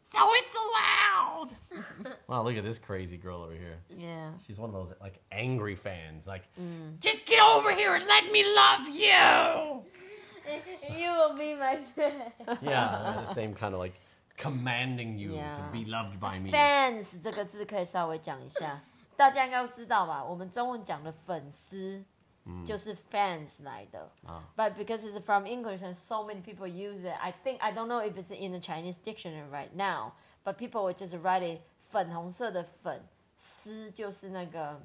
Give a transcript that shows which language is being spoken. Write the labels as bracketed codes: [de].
[en] so it's allowed. Wow, look at this crazy girl over here. Yeah. She's one of those like angry fans. Like, just get over here and let me love you. So, you will be my friend. Yeah, the same kind of like commanding you to be loved by me. [zh] Fans 这个字可以稍微讲一下，大家应该都知道吧？我们中文讲的粉丝。就是 fans 来的、 [en] But because it's from English and so many people use it, I think, I don't know if it's in the Chinese dictionary right now, but people would just write it [zh] 粉红色的粉丝就是那个